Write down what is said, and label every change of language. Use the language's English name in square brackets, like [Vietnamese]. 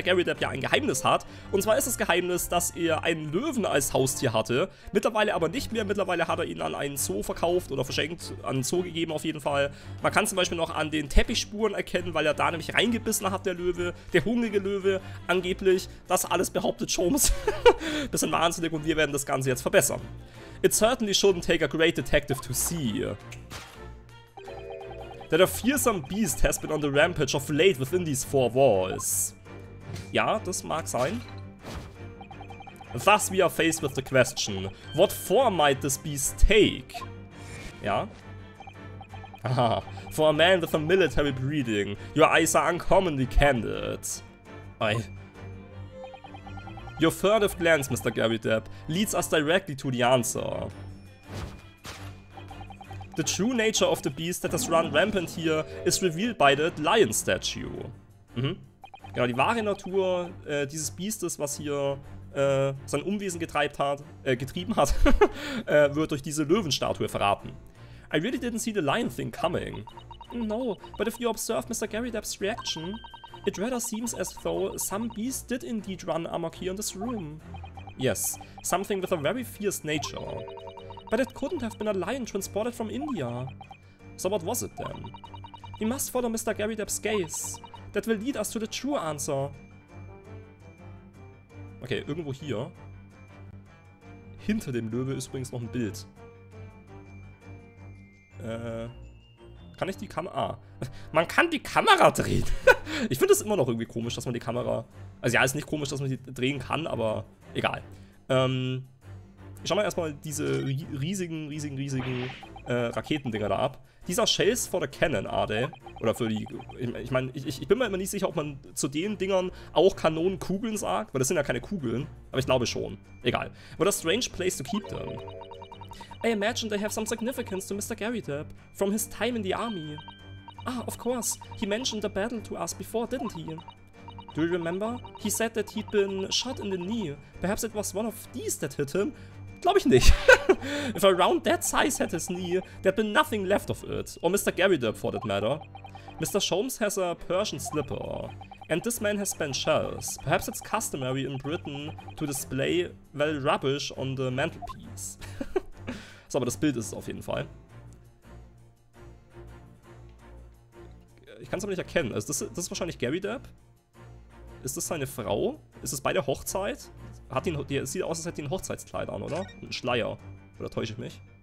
[German] Garydep ja ein Geheimnis hat. Und zwar ist das Geheimnis, dass er einen Löwen als Haustier hatte, mittlerweile aber nicht mehr. Mittlerweile hat er ihn an einen Zoo verkauft oder verschenkt, an einen Zoo gegeben auf jeden Fall. Man kann zum Beispiel noch an den Teppichspuren erkennen, weil er da nämlich reingebissen hat, der Löwe, der hungrige Löwe angeblich. Das alles behauptet Sholmes. Bisschen wahnsinnig, und wir werden das Ganze jetzt verbessern. [English] It certainly shouldn't take a great detective to see that a fearsome beast has been on the rampage of late within these four walls. [German] Ja, das mag sein. [English] Thus we are faced with the question, what form might this beast take? Ja. Aha. For a man with a military breeding, your eyes are uncommonly candid. I... Your furtive glance, Mr. Garydep, leads us directly to the answer. The true nature of the beast that has run rampant here is revealed by the lion statue. Mhm. [German] Genau, die wahre Natur dieses Biestes, was hier sein Unwesen getrieben hat, wird durch diese Löwenstatue verraten. [English] I really didn't see the lion thing coming. No, but if you observe Mr. Garydep's reaction... It rather seems as though some beast did indeed run amok here in this room. Yes, something with a very fierce nature. But it couldn't have been a lion transported from India. So what was it then? We must follow Mr. Garydep's gaze. That will lead us to the true answer. [German] Okay, irgendwo hier. Hinter dem Löwe ist übrigens noch ein Bild. Kann ich die Kamera... Ah, man kann die Kamera drehen. Ich finde es immer noch irgendwie komisch, dass man die Kamera... Also ja, es ist nicht komisch, dass man die drehen kann, aber egal. Ich schau mal erstmal diese riesigen Raketendinger da ab. [English] These are shells for the cannon, are they? [German] Oder für die... Ich bin mir immer nicht sicher, ob man zu den Dingern auch Kanonenkugeln sagt, weil das sind ja keine Kugeln. Aber ich glaube schon. Egal. [English] What a strange place to keep them. I imagine they have some significance to Mr. Garydep from his time in the army. Ah, of course. He mentioned the battle to us before, didn't he? Do you remember? He said that he'd been shot in the knee. Perhaps it was one of these that hit him? [German] Glaube ich nicht. [English] If around that size had his knee, there'd been nothing left of it. Or Mr. Garydep, for that matter. Mr. Sholmes has a Persian slipper. And this man has spent shells. Perhaps it's customary in Britain to display, well, rubbish on the mantelpiece. [German] So, aber das Bild ist es auf jeden Fall. Ich kann es aber nicht erkennen. Also das ist wahrscheinlich Garydep. Ist das seine Frau? Ist es bei der Hochzeit? Hat ihn, die, sieht aus, als hätte die ein Hochzeitskleid an, oder? Ein Schleier. Oder täusche ich mich?